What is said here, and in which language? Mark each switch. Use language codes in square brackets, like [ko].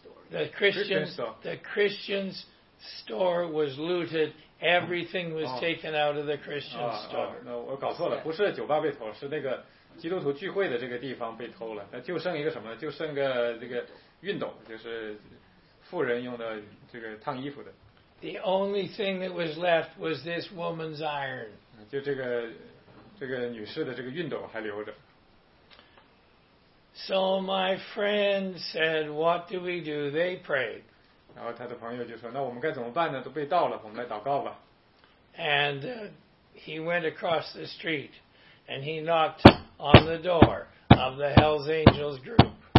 [en] The Christian's store was looted. Everything was taken out of the Christian store. [zh] 我搞错了，不是酒吧被偷，是那个基督徒聚会的这个地方被偷了。就剩一个什么？就剩个这个熨斗，就是。富人用的这个烫衣服的。 [en] The only thing that was left was this woman's iron. [zh] 就这个女士的这个熨斗还留着。 [en] So my friend said, "What do we do?" They prayed. [zh] 然后他的朋友就说：“那我们该怎么办呢？都被盗了，我们来祷告吧。 [en] ”And he went across the street, and he knocked on the door of the Hell's Angels group.